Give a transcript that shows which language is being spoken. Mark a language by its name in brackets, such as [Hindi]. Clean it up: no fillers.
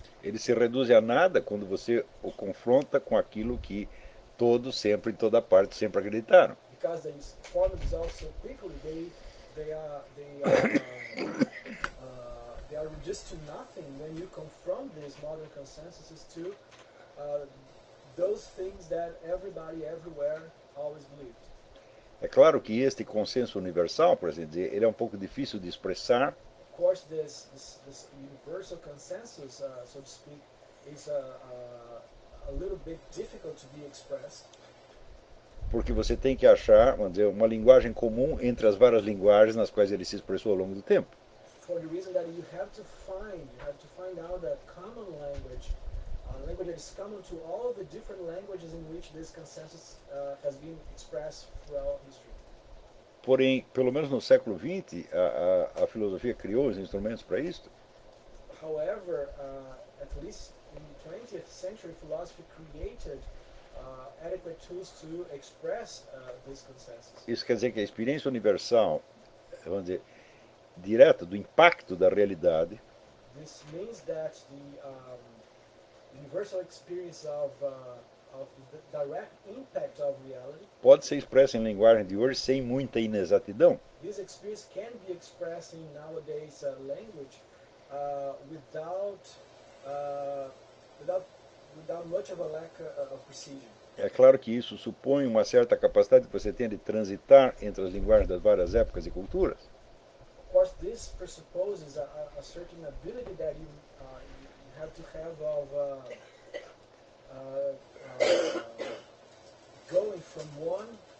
[Portuguese] Eles se reduzem a nada quando você o confronta com aquilo que todos, sempre, em toda parte, sempre acreditaram. [English] Because they form themselves so quickly, they are reduced to nothing when you confront these modern consensuses to those things that everybody everywhere always believed. [Portuguese] É claro que este consenso universal, por assim dizer, ele é um pouco difícil de expressar. [English] Of course, this universal consensus, so to speak, is a little bit difficult to be expressed. [Portuguese] Porque você tem que achar, vamos dizer, uma linguagem comum entre as várias linguagens nas quais ele se expressou ao longo do tempo. [English] For the reason that you have to find out a common language, a language that is common to all the different languages in which this consensus has been expressed throughout history. [Portuguese] Porém, pelo menos no século XX, a filosofia criou os instrumentos para isto. [English] However, at least in the 20th century, philosophy created adequate tools to express this consensus. [Portuguese] Isso quer dizer que a experiência universal, vamos dizer, direta do impacto da realidade. [English] This means that the universal experience of direct impact of reality [Portuguese] pode ser expressa em linguagem de hoje sem muita inexatidão. [English] This experience can be expressed in nowadays language without much of a lack of precision. [Portuguese] É claro que isso supõe uma certa capacidade que você tem de transitar entre as linguagens das várias épocas e culturas. [English] Of course, this presupposes a certain ability that you have to have of going from one